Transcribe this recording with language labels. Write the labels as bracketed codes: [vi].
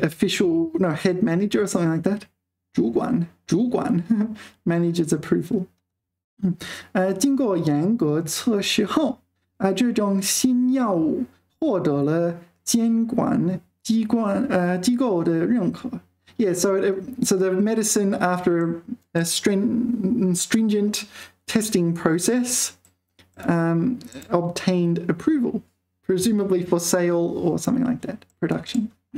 [en] official, no, head manager or something like that. 主管, manager's approval. [zh] 经过严格测试后，这种新药获得了监管机构的认可. [en] Yeah, so the medicine after a stringent testing process obtained approval, presumably for sale or something like that, production.